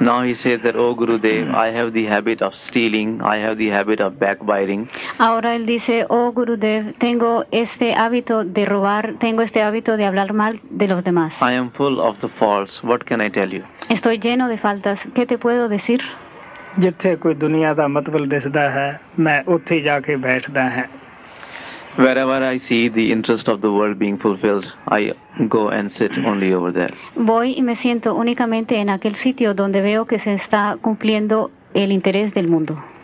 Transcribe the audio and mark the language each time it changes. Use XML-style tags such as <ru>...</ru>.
<en>Now he said that, oh Gurudev, I have the habit of stealing, I have the habit of backbiting.</en> <es>Ahora él dice, oh Gurudev, tengo este hábito de robar, tengo este hábito de hablar mal de los demás.</es> <en>I am full of the faults, what can I tell you?</en> <es>Estoy lleno de faltas, ¿qué te puedo decir?</es> <pa>ਜਿੱਥੇ ਕੋਈ ਦੁਨੀਆ ਦਾ ਮਤਲਬ ਦਿਸਦਾ ਹੈ ਮੈਂ ਉੱਥੇ ਜਾ ਕੇ ਬੈਠਦਾ ਹੈ</pa> <en>Wherever I see the interest of the world being fulfilled, I go and sit only over there.</en> <es>Voy y me siento únicamente en aquel sitio donde veo que se está cumpliendo el interés del mundo.</es>